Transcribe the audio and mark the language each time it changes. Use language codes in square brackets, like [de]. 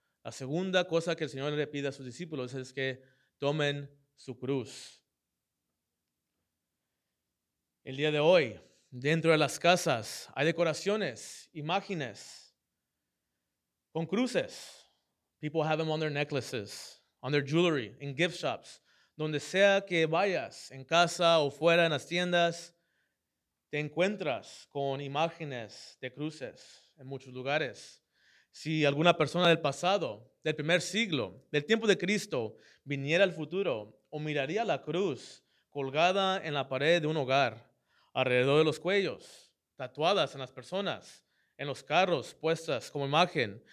[es] La segunda cosa que el Señor le pide a sus discípulos es que tomen su cruz. El día de hoy, dentro de las casas, hay decoraciones, imágenes, con cruces. [en] People have them on their necklaces, on their jewelry, in gift shops. [es] Donde sea que vayas, en casa o fuera, en las tiendas, te encuentras con imágenes de cruces en muchos lugares. Si alguna persona del pasado del primer siglo, del tiempo de Cristo, viniera al futuro o miraría la cruz colgada en la pared de un hogar, alrededor de los cuellos, tatuadas en las personas, en los carros, puestas como imagen.